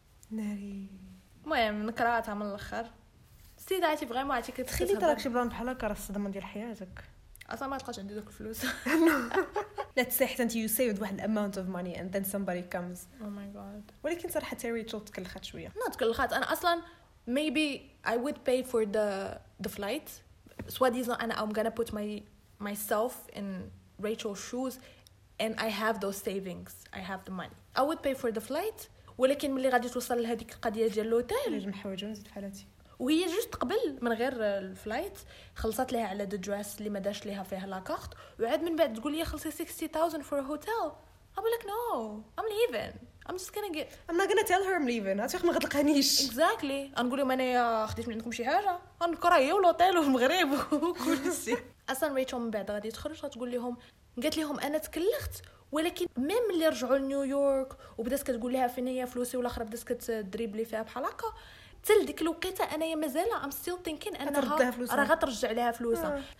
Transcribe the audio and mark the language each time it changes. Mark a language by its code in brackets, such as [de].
[ar] ناري. المهم نكراتها من الاخر السيده عاتي فريمون عاتي كتخلي تراك شي بلان بحال هكا راه الصدمه ديال حياتك اصلا ما تلقاش عندي دوك الفلوس. لا تسيحت انت [en] you saved [ar] واحد [en] الاماونت of money and then somebody comes. Oh my God. [ar] ولكن صراحه تيري تشول تكلخات شويه. نو تكلخات, انا اصلا [en] maybe I would pay for the flight. So what is not, I'm gonna put myself in Rachel's shoes, and I have those savings. I have the money. I would pay for the flight. [ar] ولكن ملي غادي توصل لهذيك القضية ديال الهوتيل. لازم نحوجو نزيد في حالتي. وهي جوست قبل من غير الفلايت خلصت لها على [en] the dress [ar] اللي ما داش لها فيها لاكارت, وعاد من بعد تقول لي خلصي 60,000 [en] for a hotel. I'm like no, I'm leaving. I'm not gonna tell her I'm leaving. [ar] هاتي اخ ما غتلقانيش. [en] Exactly. [ar] غنقول لهم انا خديت من عندكم شي حاجه, غنكره هي والهوتيل والمغرب وكلشي. اصلا ريتشل من بعد غادي تخرج غتقول لهم, قالت لهم انا تكلخت, ولكن ميم اللي رجعوا لنيويورك وبدات كتقول لها فين هي فلوسي والاخر بدات كتدريب لي فيها بحال هكا, تل ديك الوقيته انا مازال [en] I'm still thinking [ar] انها راه غترجع لها فلوسها.